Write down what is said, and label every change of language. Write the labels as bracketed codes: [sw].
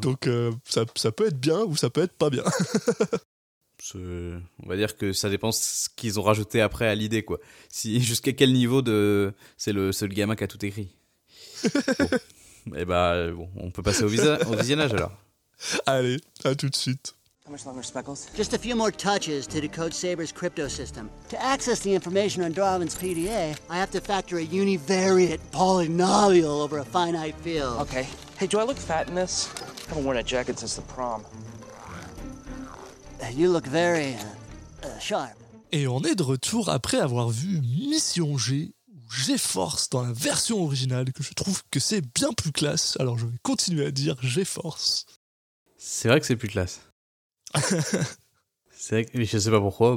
[fr] Donc ça peut être bien ou ça peut être pas bien. On va dire que ça dépend ce qu'ils ont rajouté après à l'idée, quoi. Si, jusqu'à quel niveau de c'est le gamin qui a tout écrit. Bon. Bon, on peut passer au visionnage alors. Allez, à tout de suite. [en] How much longer, Speckles? Just a few more touches to decode Saber's crypto system. To access the information on Darwin's PDA, I have to factor a univariate polynomial over a finite field. Okay. Hey, do I look fat in this? I haven't worn a jacket since the prom. You look very sharp. [fr] Et on est de retour après avoir vu Mission G, ou GeForce dans la version originale, que je trouve que c'est bien plus classe. Alors je vais continuer à dire GeForce. C'est vrai que c'est plus classe. C'est vrai que je sais pas pourquoi.